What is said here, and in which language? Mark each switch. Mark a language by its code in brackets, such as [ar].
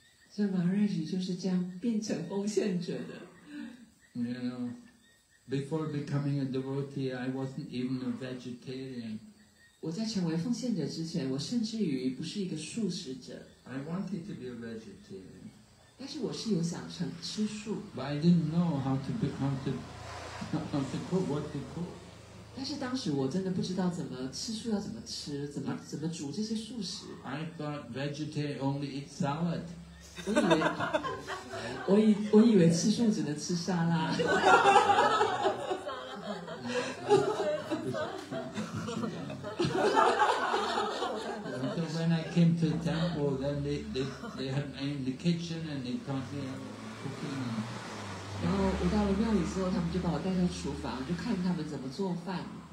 [en] So Maharaj is just like that, became a devotee. You know, before becoming a devotee, I wasn't even a vegetarian. [zh] 我在成为奉献者之前，我甚至于不是一个素食者。 [en] I wanted to be a vegetarian. [zh] 但是我是有想成吃素。 [en] But I didn't know how to cook, what to cook. [zh] 但是当时我真的不知道怎么吃素，要怎么吃，怎么煮这些素食。 [en] I thought vegetarian only eat salad. [zh] 我以为吃素只能吃沙拉。 [en] So when I came to the temple, then they had me in the kitchen and they taught me cooking. [zh] 然后我到了庙里之后，他们就把我带到厨房，就看他们怎么做饭。